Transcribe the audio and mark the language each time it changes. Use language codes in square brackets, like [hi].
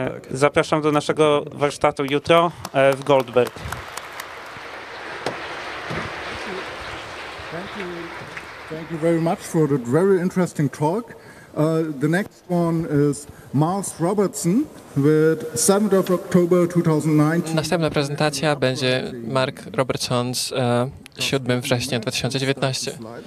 [pl] Zapraszam do naszego warsztatu jutro w Goldberg. [en] Thank you very much for that very interesting talk. The next one is Mars Robertson with 7th of October 2019. [pl] Następna prezentacja będzie Mark Robertson z 7 września 2019.